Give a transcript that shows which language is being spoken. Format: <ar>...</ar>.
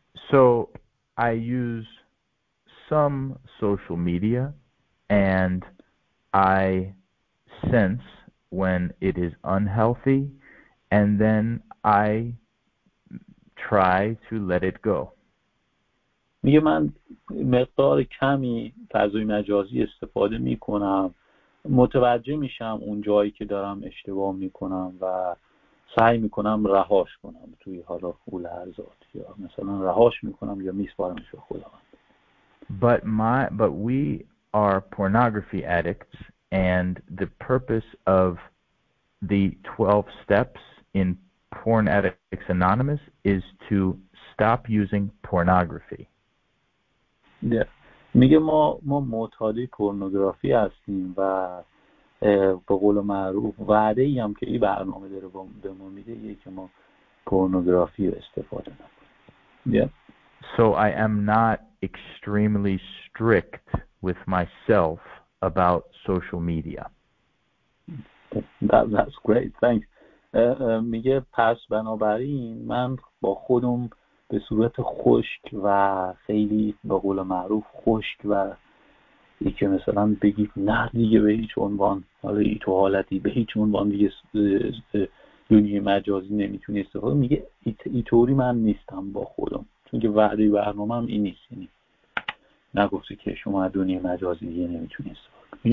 <en>So I use some social media and I sense when it is unhealthy and then I try to let it go.</en> <fa>میگه من مقدار کمی فضای مجازی استفاده میکنم، متوجه میشم اون جایی که دارم اشتباه میکنم و سعی میکنم رهاش کنم توی حالا اول ارزاد یا مثلا رهاش میکنم یا میسپارمش به خداوند.</fa> <en>But we are pornography addicts and the purpose of the 12 steps in Porn Addicts Anonymous is to stop using pornography. Yeah.</en> <fa>میگه ما معتادی پورنوگرافی هستیم و به قول معروف وعده ای هم که این برنامه داره به ما میده یه که ما پورنوگرافی رو استفاده نکنیم.</fa> <en>Yeah. So I am not extremely strict with myself about social media. That's great. Thanks.</en> <fa>میگه پس بنابراین من با خودم به صورت خشک و خیلی به قول معروف خشک و ای که مثلا بگید نه دیگه به هیچ عنوان حالا ای تو حالتی به هیچ عنوان دیگه دنیای مجازی نمیتونی استفاده، میگه ای طوری من نیستم با خودم چون که وعده برنامه هم این نیست، یعنی نگفتی که شما دنیای مجازی دیگه نمیتونی استفاده کنید.</fa>